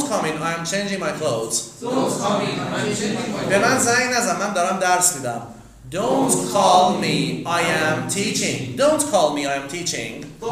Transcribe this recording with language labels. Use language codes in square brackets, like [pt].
[en] Don't come in. I'm changing my clothes. [fa] به من زنگ نزن، من دارم درس میدم. [en] Don't call me. I am teaching. Don't call me. I'm teaching.